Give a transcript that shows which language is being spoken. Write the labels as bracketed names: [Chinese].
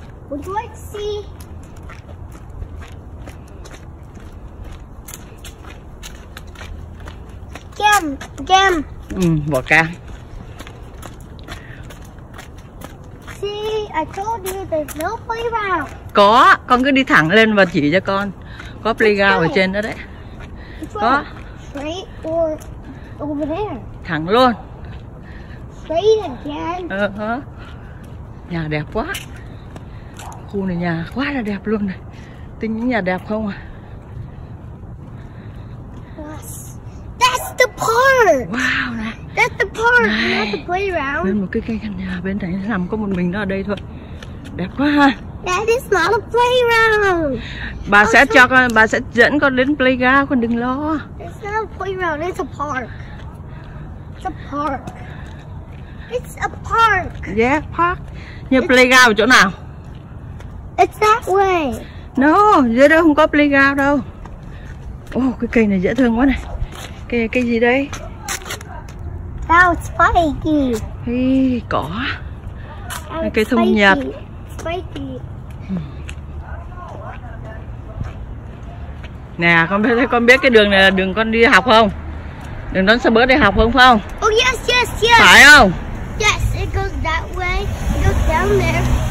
[English] Would you like to see? Gem. [Vietnamese] Bỏ cam. [English] See, I told you there's no playground. [Vietnamese] Có, con cứ đi thẳng lên và chỉ cho con. Có playground ở trên đó đấy. Có. [English] Straight or over there. [Vietnamese] Thẳng luôn. [English] Straight again. [Vietnamese] Uh-huh. Nhà đẹp quá. Khu này nhà quá là đẹp luôn này. Tính những nhà đẹp không à? [English] That's the park. [Vietnamese] Wow nè. [English] That's the park, not the playground. [Vietnamese] Bên một cái căn nhà bên này nằm có một mình nó ở đây thôi. Đẹp quá ha. [English] That is not a playground. [Vietnamese] Bà sẽ cho con, bà sẽ dẫn con đến playground, con đừng lo. [English] It's not a playground, it's a park. It's a park. It's a park. Yeah, park. [Vietnamese] Như playground ở chỗ nào? [English] It's that way. [Vietnamese] No, dưới đó không có playground đâu. Oh, cái cây này dễ thương quá này. Cây này cây gì đây? [English] Wow, it's spiky. [Vietnamese] Hey, cỏ. Cây thông [English] spiky. [Vietnamese] Nhật. Nè, con biết cái đường này là đường con đi học không? Đường đón xe bus đi học không phải không? [English] Oh yes, yes, yes. [Vietnamese] Phải không? [English] Yes, it goes that way. It goes down there.